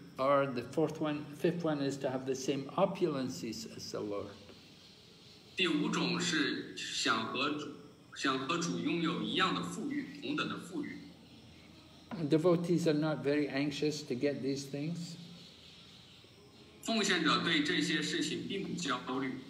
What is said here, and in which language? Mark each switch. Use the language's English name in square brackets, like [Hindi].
[English] Or the fifth one is to have the same opulences as the Lord. [Chinese] 第五种是想和主拥有一样的富裕，同等的富裕。 [English] Devotees are not very anxious to get these things. [Chinese] 奉献者对这些事情并不焦虑。